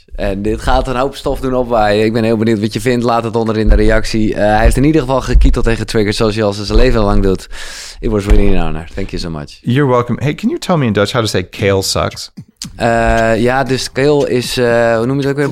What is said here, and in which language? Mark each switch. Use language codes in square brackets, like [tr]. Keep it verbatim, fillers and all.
[nl] En dit gaat een hoop stof doen opwaaien. Ik ben heel benieuwd wat je vindt. Laat het onder in de reactie. Uh, hij heeft in ieder geval gekieteld en getriggerd zoals hij al zijn leven lang doet. [en] It was really an honor. Thank you so much. You're welcome. Hey, can you tell me in Dutch how to say kale sucks? [nl] Uh, ja, dus kale is, uh, hoe noem je dat ook weer?